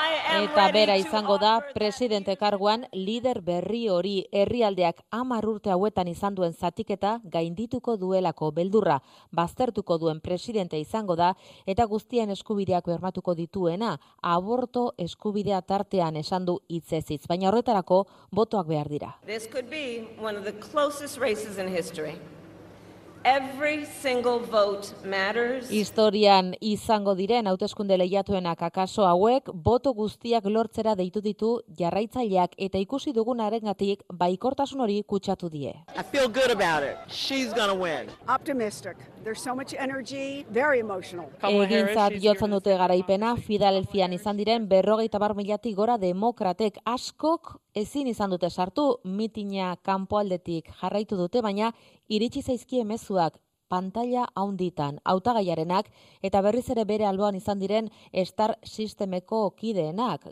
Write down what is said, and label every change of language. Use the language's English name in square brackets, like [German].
[Basque] Eta bera izango da presidente karguan lider berri hori herrialdeak 10 urte hauetan izan duen zatiketa gaindituko duelako beldurra baztertuko duen presidente izango da eta guztien eskubideak bermatuko dituena aborto eskubidea tartean esan du hitzez hitz baina horretarako botoak behar dira. [English] This could be one of the closest races in history. Every single vote matters. Historian izango diren hauteskunde lehiatuenak akaso hauek boto guztiak lortzera deitu ditu jarraitzaileak eta ikusi dugunarengatik baikortasun hori kutsatu die. I feel good about it. She's gonna win. Optimistic. There's so much energy, very emotional. [Basque] Egintzat jotzen dute garaipena Filadelfian izan diren 50.000-tik gora demokratek askok ezin izan dute sartu mitina kanpoaldetik jarraitu dute baina iritsi zaizkie mezuak pantalla haunditan hautagaiarenak eta berriz ere bere alboan izan diren Star Systemeko kideenak.